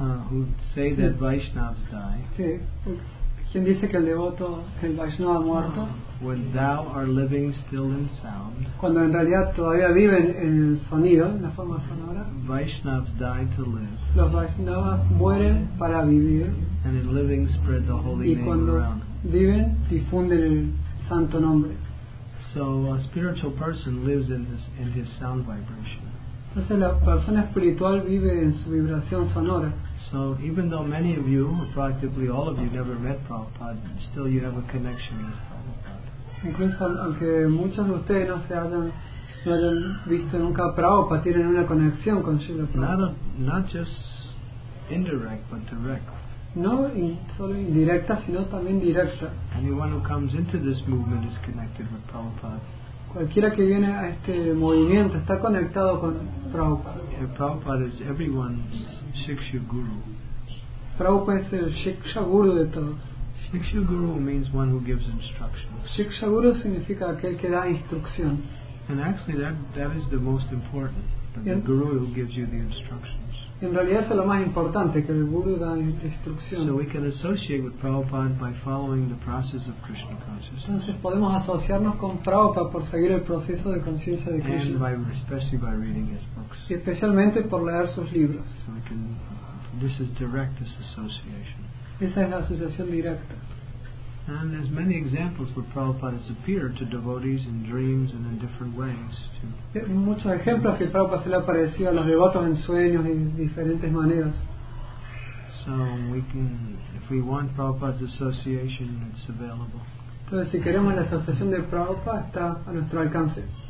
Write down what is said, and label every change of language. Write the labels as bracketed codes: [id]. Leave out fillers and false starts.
[en] Who say that Vaishnavas die? [es] ¿Quién dice que el devoto, que el Vaishnava ha muerto? [en] When thou are living still in sound. [es] Cuando en realidad todavía viven en el sonido, en la forma sonora. [en] Vaishnavas die to live. [es] Los Vaishnavas mueren para vivir. [en] And in living spread the holy name around. [es] Y cuando viven, difunden el santo nombre. [en] So a spiritual person lives in his sound vibration. [es] Entonces la persona espiritual vive en su vibración sonora. [en] So even though many of you, practically all of you, never met Prabhupada, still you have a connection with Prabhupada. [es] Incluso aunque muchos de ustedes no hayan visto nunca a Prabhupada, tienen una conexión con Srila Prabhupada. [en] Not just indirect, but direct. [es] No solo indirecta, sino también directa. [en] Anyone who comes into this movement is connected with Prabhupada. [es] Cualquiera que viene a este movimiento está conectado con Prabhupada. [en] Prabhupada is everyone's Shiksha Guru. [es] Prabhupada es el Shiksha Guru de todos. [en] Shiksha Guru means one who gives instruction. [es] Shiksha Guru significa aquel que da instrucción. [en] And actually that is the most important. The Guru who gives you the instructions. [es] En realidad eso es lo más importante, que el Guru da instrucción. [en] So we can associate with Prabhupada by following the process of Krishna consciousness. [es] Entonces podemos asociarnos con Prabhupada por seguir el proceso de conciencia de Krishna. [en] And especially by reading his books. [es] Y especialmente por leer sus libros. [en] So we can, this is direct association. [es] Esa es la asociación directa. [en] And there's many examples where Prabhupada has appeared to devotees in dreams and in different ways too. [es] Hay muchos ejemplos que Prabhupada se le ha aparecido a los devotos en sueños y diferentes maneras. [en] So we can, if we want Prabhupada's association, it's available. [es] Entonces, si queremos la asociación de Prabhupada, está a nuestro alcance.